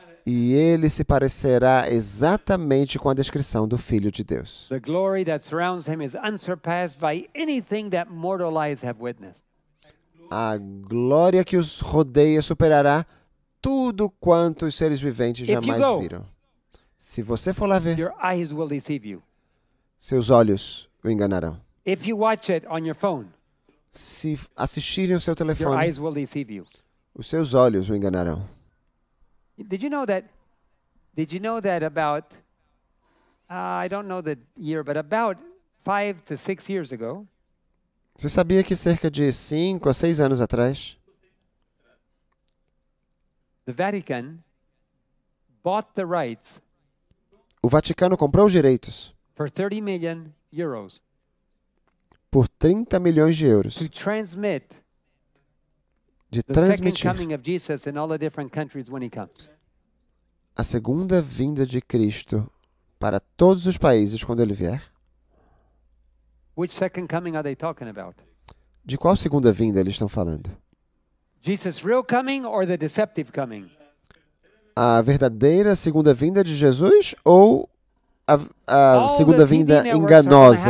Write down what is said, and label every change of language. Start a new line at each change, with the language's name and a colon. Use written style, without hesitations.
Portuguese: E ele se parecerá exatamente com a descrição do Filho de Deus.
English: The glory that surrounds him is unsurpassed by anything that mortal eyes have witnessed.
Portuguese: A glória que os rodeia superará tudo quanto os seres viventes jamais viram. Se você for lá ver,
English: your eyes will deceive you.
Portuguese: Seus olhos o enganarão.
English: If you watch it on your phone,
Portuguese: se assistirem ao seu telefone,
English: your eyes will deceive you.
Portuguese: Os seus olhos o enganarão.
English: Did you know that about I don't know the year, but about 5 to 6 years ago.
Portuguese: Você sabia que cerca de 5 a 6 anos atrás,
English: the Vatican bought the rights.
Portuguese: O Vaticano comprou os direitos.
English: For 30 million euros.
Portuguese: Por 30 milhões de euros.
English: To transmit.
Portuguese: De transmitir.
English: The second coming of Jesus in all the different countries when he comes.
Portuguese: A segunda vinda de Cristo para todos os países quando ele vier.
English: Which second coming are they talking about?
Portuguese: De qual segunda vinda eles estão falando?
English: Jesus' real coming or the deceptive coming?
Portuguese: A verdadeira segunda vinda de Jesus ou a segunda vinda enganosa?